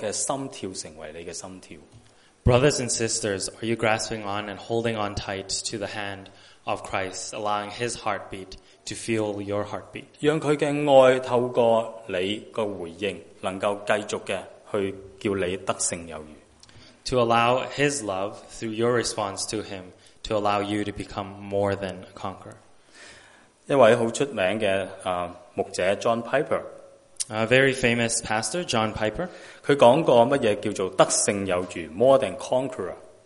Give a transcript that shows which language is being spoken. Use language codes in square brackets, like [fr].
[zh] 弟兄姊妹,你有没有捉住我们的主的手,让他那个心跳成为你的心跳? [en] Brothers and sisters, are you grasping on and holding on tight to the hand of Christ, allowing His heartbeat to feel your heartbeat? [zh] 让他的爱透过你的回应,能够继续的去叫你得胜有余。 [en] To allow His love through your response to Him to allow you to become more than a conqueror. [zh] 一位很出名的牧者, John Piper. [en] A very famous pastor, John Piper. [zh] 他讲过什么叫做得胜有余, more than conqueror.